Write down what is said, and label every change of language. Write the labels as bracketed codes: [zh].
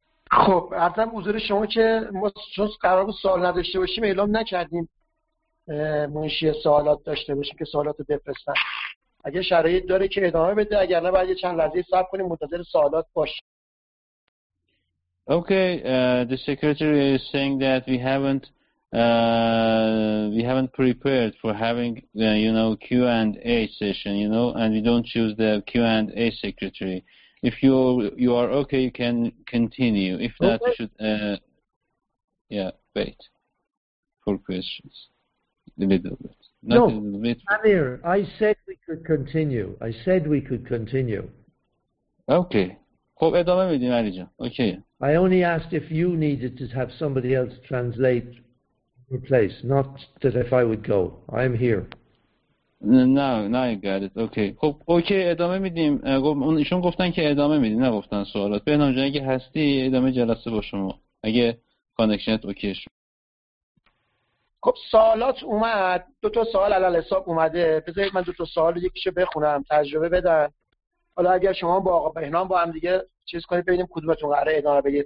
[fa] خب عرضم حضور شما که ما چون قرار بود سوال نداشته باشیم اعلام نکردیم منشی سوالات داشته باشیم که سوالات رو بفرستن. اگه شرایط داره که ادامه بده، اگر نه بعد یه چند لحظه صبر کنیم منتظر سوالات باشیم. [en] Okay, the secretary is saying that we haven't prepared for having Q&A session, and we don't choose the Q&A secretary. If you are okay, you can continue. If not, you should wait for questions a little bit. Not no, a little bit. Amir, I said we could continue. I said we could continue. [fa] Okay. خب ادامه میدیم علی جان. اوکی. [en] I only asked if you needed to have somebody else translate replace, not that if I would go. I am here. No, I got it. Okay. [fa] خب اوکی ادامه میدیم. ایشون گفتن که ادامه میدیم، نگفتن سوالات. بهنام جان اگه هستی ادامه جلسه با شما. اگه کانکشنت اوکی شد. خب سوالات اومد. دو تا سوال علل حساب اومده. بذارید من دو تا سوال یکیشو بخونم، تجربه بدم. حالا اگر شما با آقا بهنام با هم دیگه چیز کنید ببینیم کدومتون قراره ادامه بدید.